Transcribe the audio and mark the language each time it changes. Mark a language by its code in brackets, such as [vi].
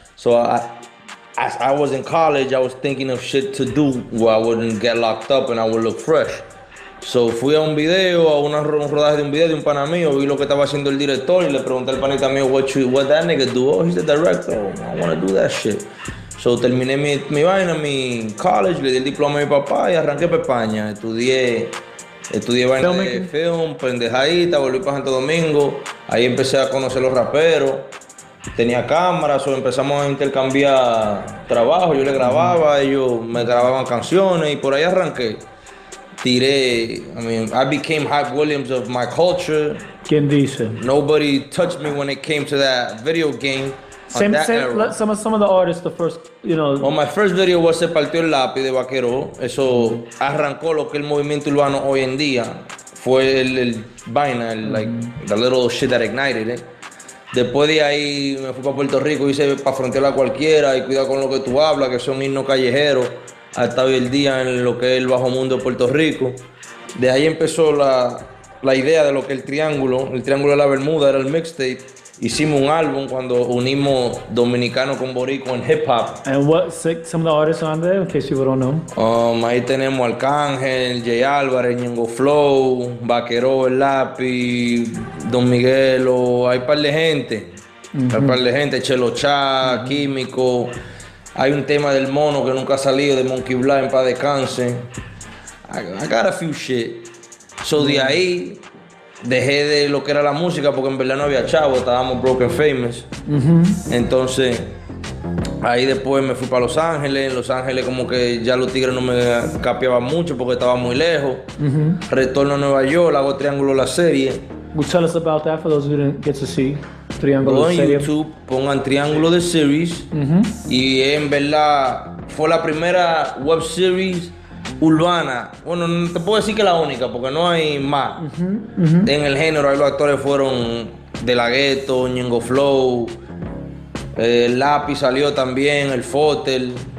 [en] So as I was in college, I was thinking of shit to do where I wouldn't get locked up and I would look fresh. [es] So fui a un video, a una, un rodaje de un video de un pana mío, vi lo que estaba haciendo el director y le pregunté al panita mío, [en] what that nigga do? Oh, he's the director, I wanna do that shit. [es] So terminé mi vaina, mi college, le di el diploma a mi papá y arranqué para España. Estudié vaina de film, pendejadita, volví para Santo Domingo. Ahí empecé a conocer los raperos. Tenía cámaras, o empezamos a intercambiar trabajo. Yo le grababa, ellos me grababan canciones y por ahí arranqué. [en] I became Hype Williams of my culture. [es] ¿Quién dice? [en] Nobody touched me when it came to that video game. Let some of the artists, the first, you know. Well, my first video was [es] Se Partió el Lápiz de Vaquero. Eso arrancó lo que el movimiento urbano hoy en día. Fue el vaina, [en] like, the little shit that ignited it. [es] Después de ahí me fui para Puerto Rico, hice Pa' Frontera Cualquiera y Cuidado con lo que tú hablas, que son himnos callejeros. Hasta hoy el día en lo que es el bajo mundo de Puerto Rico. De ahí empezó la idea de lo que es el Triángulo de la Bermuda, era el mixtape. Hicimos un álbum cuando unimos dominicano con boricua en hip hop. [en] And what some of the artists on there, in case people don't know? [es] Ahí tenemos Arcángel, Jay Álvarez, Ñengo Flow, Vaquero, El Lápiz, Don Miguelo, hay un par de gente. Mm-hmm. Hay un par de gente, Chelo Chá, Químico. Hay un tema del mono que nunca ha salido, de Monkey Blind, para descanse. [en] I got a few shit. [es] So de ahí, dejé de lo que era la música, porque en verdad no había chavo, estábamos [en] broken famous. Mm-hmm. [es] Entonces, ahí después me fui para Los Ángeles. En Los Ángeles como que ya los tigres no me capeaban mucho porque estaba muy lejos. Mm-hmm. Retorno a Nueva York, hago Triángulo la Serie. [en] Well, tell us about that for those who didn't get to see. [es] Triángulo de series. YouTube, pongan Triángulo de series. Mm-hmm. Y en verdad fue la primera web series urbana. Bueno, no te puedo decir que la única, porque no hay más. Mm-hmm. Mm-hmm. En el género, ahí los actores fueron De La Ghetto, Ñengo Flow, Lápiz salió también, El Fotel.